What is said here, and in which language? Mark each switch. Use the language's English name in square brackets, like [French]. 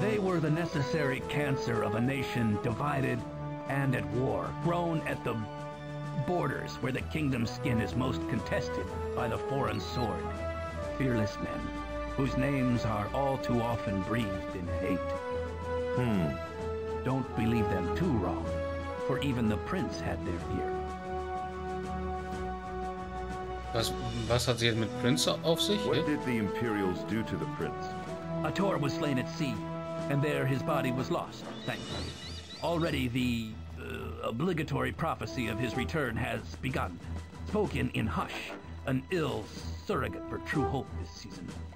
[English] They were the necessary cancer of a nation divided and at war, grown at the borders where the kingdom's skin is most contested by the foreign sword. fearless men, whose names are all too often breathed in hate. Don't believe them too wrong, for even the prince had their fear. [German] Was hat sie jetzt mit Prinz auf sich? [English] What did the Imperials do to the prince? Ator was slain at sea, and there his body was lost, thankfully. Already the obligatory prophecy of his return has begun, spoken in hush, an ill surrogate for true hope this season.